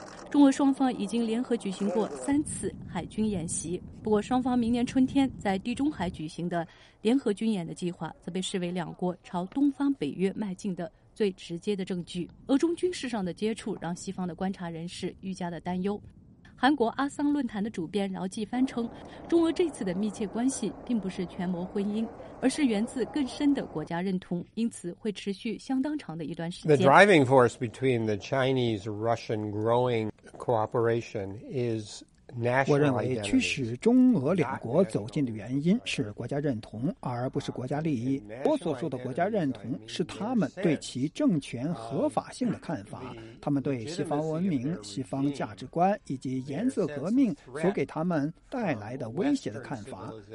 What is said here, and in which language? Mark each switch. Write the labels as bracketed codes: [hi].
[zh] 中俄双方已经联合举行过3次海军演习，不过双方明年春天在地中海举行的联合军演的计划则被视为两国朝东方北约迈进的最直接的证据。俄中军事上的接触让西方的观察人士愈加的担忧。韩国阿桑论坛的主编饶继帆称，中俄这次的密切关系并不是权谋婚姻，而是源自更深的国家认同，因此会持续相当长的一段时间。 [en] The driving force between the Chinese-Russian growing cooperation is national. [zh] 我认为驱使中俄两国走近的原因是国家认同，而不是国家利益。我所说的国家认同是他们对其政权合法性的看法，他们对西方文明、西方价值观以及颜色革命所给他们带来的威胁的看法。